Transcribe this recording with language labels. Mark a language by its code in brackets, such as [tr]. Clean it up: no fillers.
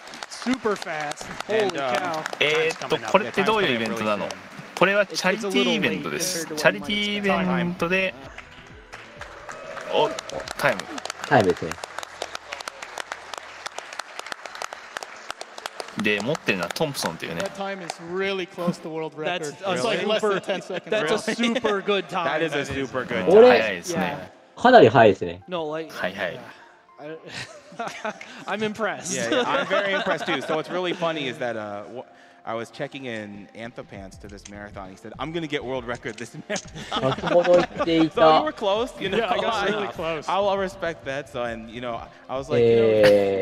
[en] Super fast. Holy cow. [ja] これってどういうイベントなの？これはチャリティーイベントです。チャリティーイベントで、タイム。タイムですね。で、持ってるのはトンプソンっていうね。 [en] That time is really close to world record. That's like less than 10 seconds. That's a super good time. That is a super good time. [ja] 早いですね。かなり早いですね。はいはい。 [en] I'm impressed. Yeah, yeah, I'm very impressed too. So what's really funny is that I was checking in Anthopants to this marathon. He said, I'm going to get world record this marathon. So you were close. You know, yeah, I was really close. I'll respect that. So, and, you know, I was like, you know,